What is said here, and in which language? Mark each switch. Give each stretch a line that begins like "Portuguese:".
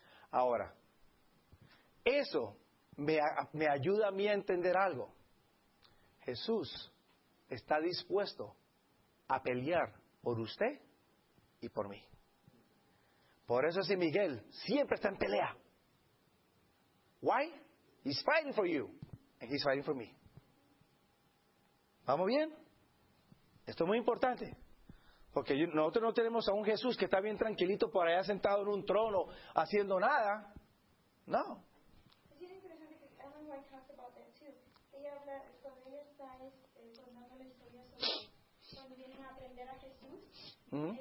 Spanish: Ahora, eso me ayuda a mí a entender algo. Jesús está dispuesto a pelear por usted y por mí. Por eso si Miguel siempre está en pelea.
English: Why? He's fighting for you and he's fighting for me.
Spanish: ¿Vamos bien? Esto es muy importante. Porque nosotros no tenemos a un Jesús que está bien tranquilito por allá sentado en un trono haciendo nada. No. Es interesante que Ellen White habla sobre eso también. Ella habla sobre ella, está contando la historia sobre cuando vienen a aprender a Jesús. Mm-hmm.